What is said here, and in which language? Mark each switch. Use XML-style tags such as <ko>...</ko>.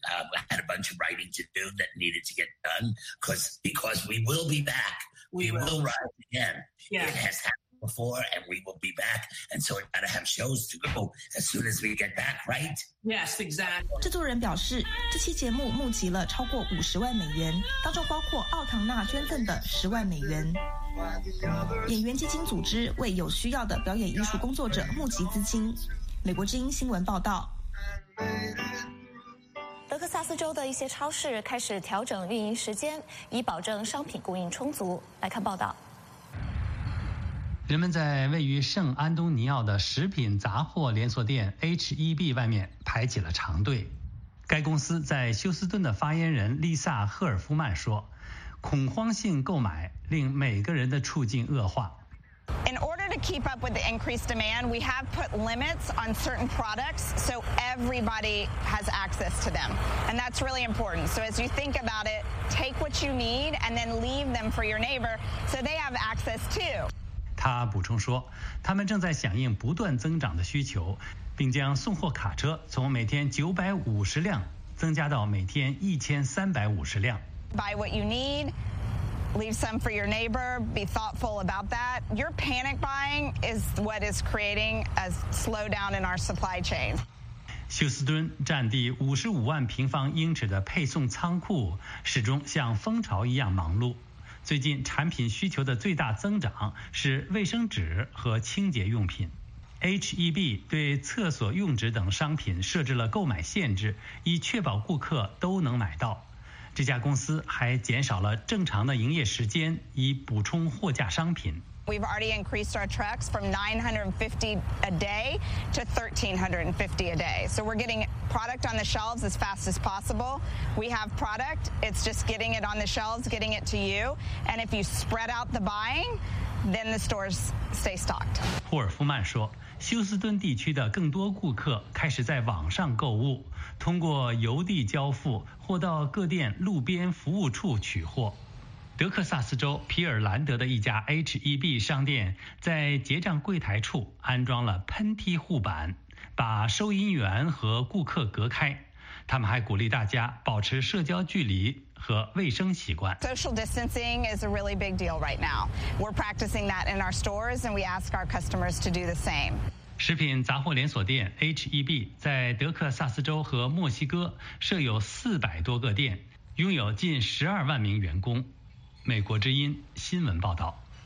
<en>I had a bunch of writing to do that needed to get done because we will be back. We will write again. Yeah. It has happened before, and we will be back. And so we've got to have shows to go as soon as we get back, right? Yes, exactly.</en> <zh>制作人表示，这期节目募集了超过$500,000，当中包括奥唐纳捐赠的$10,000。演员基金组织为有需要的表演艺术工作者募集资金。美国之音新闻报道。德克萨斯州的一些超市开始调整运营时间，以保证商品供应充足。来看报道。人们在位于圣安东尼奥的食品杂货连锁店 HEB 外面排起了长队。该公司在休斯顿的发言人丽萨·赫尔夫曼说，恐慌性购买令每个人的处境恶化。</zh> <en>In order to keep up with the increased demand, we have put limits on certain products so everybody has access to them. And that's really important. So as you think about it, take what you need and then leave them for your neighbor so they have access too.</en> <zh>他补充说，他们正在响应不断增长的需求，并将送货卡车从每天950辆增加到每天1350辆。</zh> <en>Buy what you need, leave some for your neighbor, be thoughtful about that. Your panic buying is what is creating a slowdown in our supply chain.</en> <zh>休斯敦占地55万平方英尺的配送仓库始终像蜂巢一样忙碌。最近产品需求的最大增长是卫生纸和清洁用品。 HEB 对厕所用纸等商品设置了购买限制，以确保顾客都能买到。这家公司还减少了正常的营业时间，以补充货架商品。</zh> <en>We've already increased our trucks from 950 a day to 1350 a day. So we're getting product on the shelves as fast as possible. We have product. It's just getting it on the shelves, getting it to you. And if you spread out the buying, then the stores stay stocked.</en> <zh>霍尔夫曼说，休斯敦地区的更多顾客开始在网上购物，通过邮递交付或到各店路边服务处取货。德克萨斯州皮尔兰德的一家 HEB 商店在结账柜台处安装了喷嚏护板，把收银员和顾客隔开。他们还鼓励大家保持社交距离和卫生习惯。</zh> <en>Social distancing is a really big deal right now. We're practicing that in our stores and we ask our customers to do the same.</en> <zh>食品杂货连锁店 HEB 在德克萨斯州和墨西哥设有400多个店，拥有近12万名员工。美国之音新闻报道。</zh>